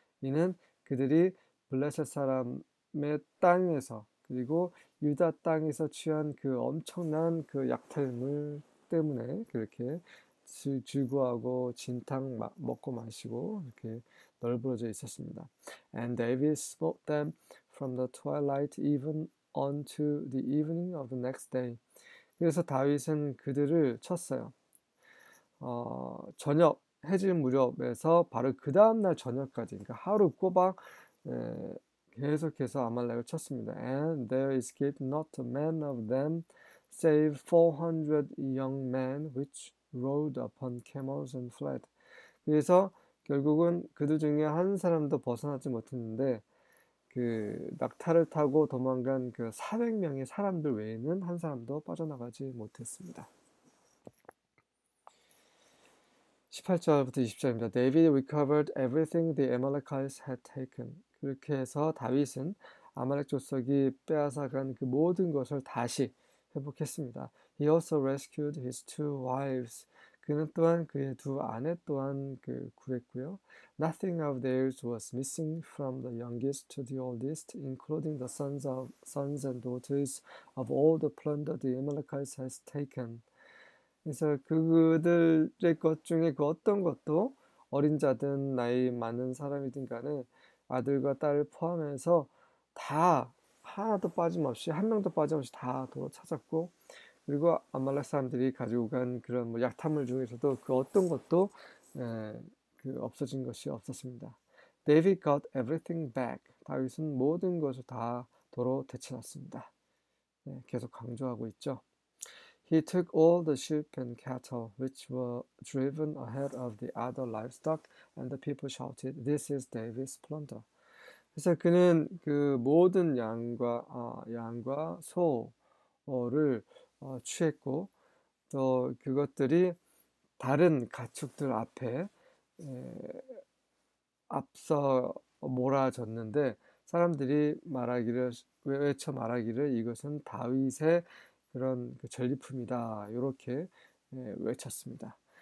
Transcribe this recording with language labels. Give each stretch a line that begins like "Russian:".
Korean: 이는 그들이 블레셋 사람의 땅에서 그리고 유다 땅에서 취한 그 엄청난 그 약탈물 때문에 그렇게 즐거워하고 진탕 먹고 마시고 이렇게 널브러져 있었습니다.
English: And David smote them from the twilight even unto the evening of the next day.
Korean: 그래서 다윗은 그들을 쳤어요. 저녁 해질 무렵에서 바로 그 다음날 저녁까지, 그러니까 하루 꼬박 계속해서 아말렉을 쳤습니다.
English: And there escaped not a man of them, save 400 young men which rode upon camels and fled.
Korean: 그래서 결국은 그들 중에 한 사람도 벗어나지 못했는데, 낙타를 타고 도망간 그 400명의 사람들 외에는 한 사람도 빠져나가지 못했습니다. 18절부터 20절입니다.
English: David recovered everything the Amalekites had taken.
Korean: 그렇게 해서 다윗은 아말렉 족속이 빼앗아간 그 모든 것을 다시 회복했습니다.
English: He also rescued his two wives.
Korean: 그는 또한 그의 두 아내 또한 그 구했고요.
English: Nothing of theirs was missing from the youngest to the oldest, including the sons and daughters of all the plunder the Amalekites has taken.
Korean: 그래서 그들의 것 중에 그 어떤 것도 어린 자든 나이 많은 사람이든 간에 아들과 딸을 포함해서 다 하나도 빠짐없이 한 명도 빠짐없이 다 도로 찾았고, 그리고 아말렉 사람들이 가지고 간 그런 뭐 약탈물 중에서도 그 어떤 것도 그 없어진 것이 없었습니다.
English: David got everything back.
Korean: 다윗은 모든 것을 다 도로 되찾았습니다. 네, 계속 강조하고 있죠.
English: He took all the sheep and cattle which were driven ahead of the other livestock, and the people shouted, "This is David's plunder."
Korean: 그래서 그는 그 모든 양과 소를 취했고, 또 그것들이 다른 가축들 앞에 앞서 몰아졌는데, 사람들이 외쳐 말하기를 이것은 다윗의 그런 그 전리품이다, 이렇게 외쳤습니다.